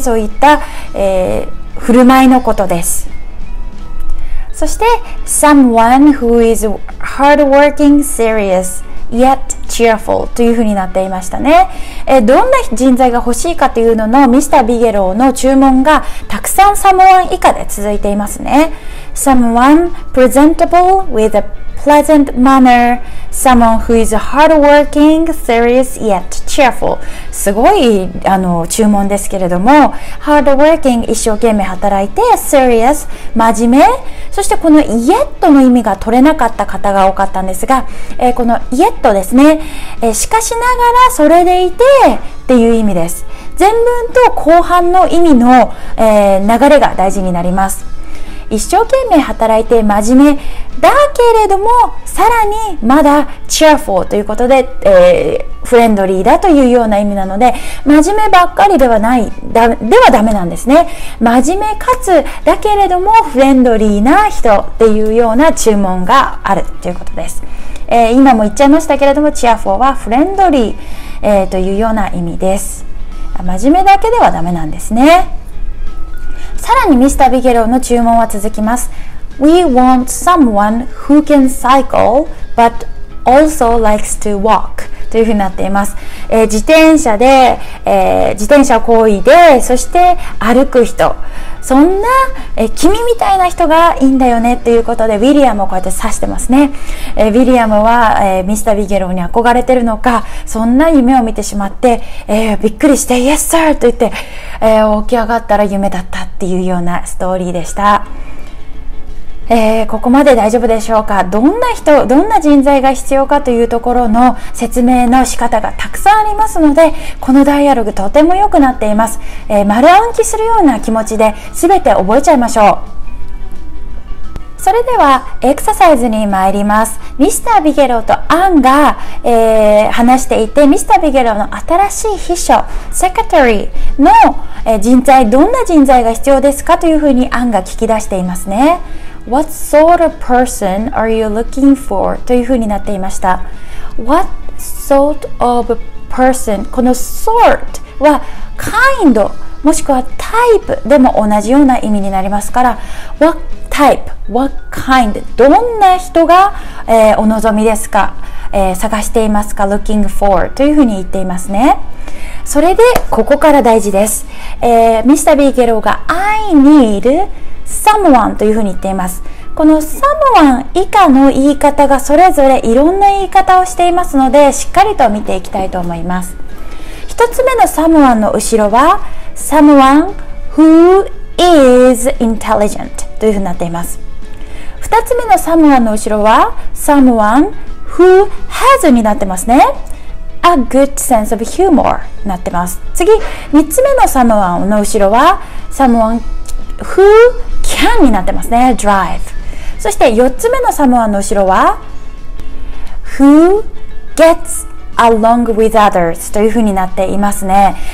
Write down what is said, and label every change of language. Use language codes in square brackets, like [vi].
[ja] そういった、振る舞いのことです。 [en] そして、someone who is hardworking, serious, yet [ja] cheerful というふうになっていましたね。どんな人材が欲しいかというののミスタービゲローの注文がたくさん someone 以下で続いていますね。 [en] someone presentable with a pleasant manner, someone who is hardworking, serious yet cheerful。 [ja] すごい注文ですけれども、 hardworking 一生懸命働いて、 serious 真面目、そしてこの yet の意味が取れなかった方が多かったんですが、この yet ですね、しかしながらそれでいてっていう意味です。前文と後半の意味の、流れが大事になります。一生懸命働いて真面目だけれども、さらにまだ cheerful ということで、フレンドリーだというような意味なので、真面目ばっかりではない、ではダメなんですね。真面目かつだけれどもフレンドリーな人っていうような注文があるということです。今も言っちゃいましたけれども、 cheerful はフレンドリー、というような意味です。真面目だけではダメなんですね。さらにミスタービゲローの注文は続きます。 [en] We want someone who can cycle but also likes to walk [ja] というふうになっています。自転車で、自転車を漕いで、そして歩く人、そんな、君みたいな人がいいんだよねということで、ウィリアムをこうやって指してますね。ウィリアムは、ミスタービゲローに憧れてるのか、そんな夢を見てしまって、びっくりして [en] Yes sir [ja] と言って、起き上がったら夢だったっていうようなストーリーでした。ここまで大丈夫でしょうか。どんな人、どんな人材が必要かというところの説明の仕方がたくさんありますので、このダイアログとても良くなっています。丸暗記するような気持ちで全て覚えちゃいましょう。それではエクササイズに参ります。ミスタービゲローとアンが、話していて、ミスタービゲローの新しい秘書セクレタリーの、人材、どんな人材が必要ですかというふうにアンが聞き出していますね。 [en] What sort of person are you looking for? [ja] というふうになっていました。 [en] What sort of person? [ja] この sort は kind もしくは type でも同じような意味になりますから、 [en] What type? What kind? [ja] どんな人が、お望みですか、探していますか、looking for というふうに言っていますね。それでここから大事です。 [en] Mr. B. [ja] ゲローが [en] I need someone [ja] というふうに言っています。この someone 以下の言い方がそれぞれいろんな言い方をしていますので、しっかりと見ていきたいと思います。一つ目の someone の後ろは [en] someone who is intelligent [ja] というふうになっています。二つ目の someone の後ろは [en] someone who has [ja] になってますね。 [en] A good sense of humor [ja] になってます。次、三つ目の someone の後ろは someone who can になってますね。drive。そして4つ目の someone の後ろは [en] who gets along with others [ja] というふうになっていますね。